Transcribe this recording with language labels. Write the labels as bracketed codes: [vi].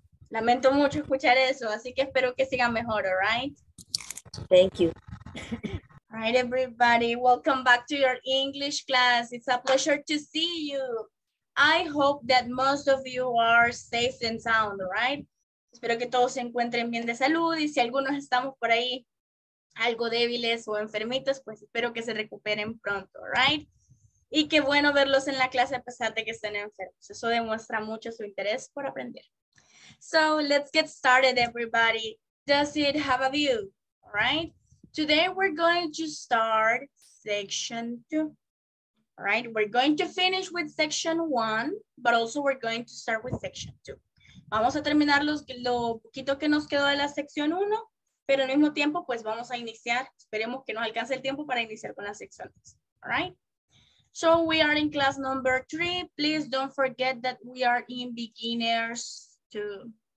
[es] Lamento mucho escuchar eso, así que espero que siga mejor, all right? [en] Thank you. All right, everybody, welcome back to your English class. It's a pleasure to see you. I hope that most of you are safe and sound, all right? [es] Espero que todos se encuentren bien de salud y si algunos estamos por ahí algo débiles o enfermitos, pues espero que se recuperen pronto, all right? Y qué bueno verlos en la clase a pesar de que estén enfermos. Eso demuestra mucho su interés por aprender. [en] So, let's get started, everybody. Does it have a view? All right? Today, we're going to start section two. All right? We're going to finish with section one, but also we're going to start with section two. [es] Vamos a terminar lo poquito que nos quedó de la sección uno, pero al mismo tiempo, pues vamos a iniciar. Esperemos que nos alcance el tiempo para iniciar con la sección dos. [en] All right? So we are in class number three. Please don't forget that we are in beginners too.